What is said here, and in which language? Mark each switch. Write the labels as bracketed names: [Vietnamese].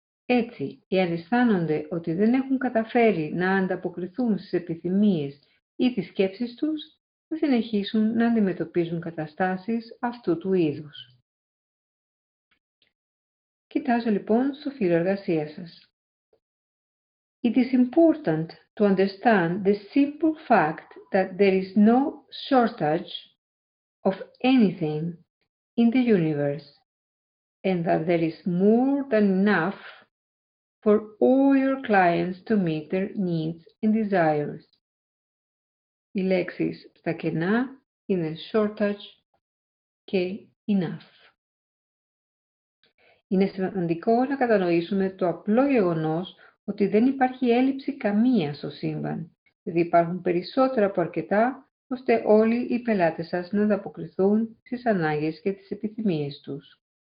[Greek] Έτσι, εάν αισθάνονται ότι δεν έχουν καταφέρει να ανταποκριθούν στις επιθυμίες ή τις σκέψεις τους, θα συνεχίσουν να αντιμετωπίζουν καταστάσεις αυτού του είδους. Κοιτάζω λοιπόν στο φύλλο εργασίας σας. [English] It is important to understand the simple fact that there is no shortage of anything in the universe and that there is more than enough for all your clients to meet their needs and desires. [Greek] Οι λέξεις στα κενά είναι shortage και enough. Είναι σημαντικό να κατανοήσουμε το απλό γεγονός ότι δεν υπάρχει έλλειψη καμία στο σύμπαν, δηλαδή υπάρχουν περισσότερα από αρκετά, ώστε όλοι οι πελάτες σας να ανταποκριθούν στις ανάγκες και τις επιθυμίες τους.